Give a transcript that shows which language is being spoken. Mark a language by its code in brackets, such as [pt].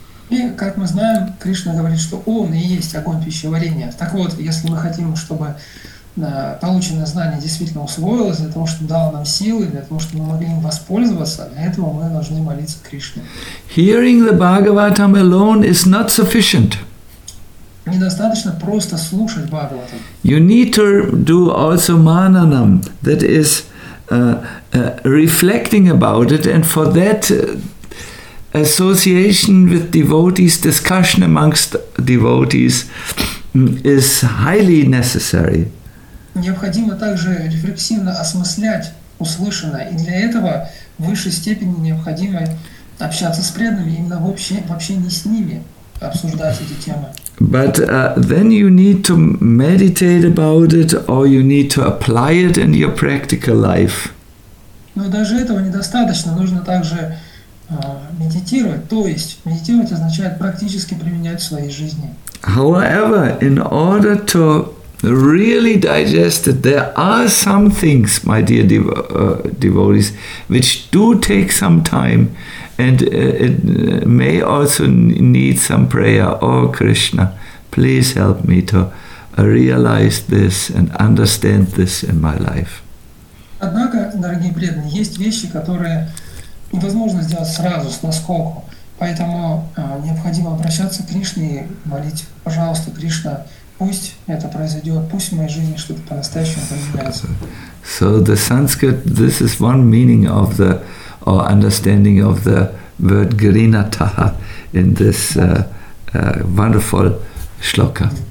[ru] И, как мы знаем, Кришна говорит, что он и есть огонь пищеварения. Так вот, если мы хотим, чтобы полученное знание действительно усвоилось, для того, чтобы дало нам силы, для того, чтобы мы могли им воспользоваться, для этого мы должны молиться Кришне. [en] Hearing the Bhagavatam alone is not sufficient. [ru] Недостаточно просто слушать Бхагаватам. [en] You need to do also mananam, that is, reflecting about it, and for that association with devotees, discussion amongst devotees is highly necessary. [ru] Необходимо также рефлексивно осмыслять услышанное, и для этого в высшей степени необходимо общаться с преданными, именно вообще не с ними обсуждать эти темы. [en] But then you need to meditate about it, or you need to apply it in your practical life. [ru] Но даже этого недостаточно, нужно также медитировать, то есть медитировать означает практически применять в своей жизни. [en] However, in order to really digest it, there are some things, my dear devotees, which do take some time, and it may also need some prayer. Oh Krishna, please help me to realize this and understand this in my life. [ru] Однако, дорогие преданные, есть вещи, которые невозможно сделать сразу, с наскоку. Поэтому необходимо обращаться к Кришне и молить, пожалуйста, Кришна, пусть это произойдет, пусть в моей жизни что-то по-настоящему поменяется. [en] So the Sanskrit, this is one meaning of the, or understanding of the word Grinataha in this wonderful shloka.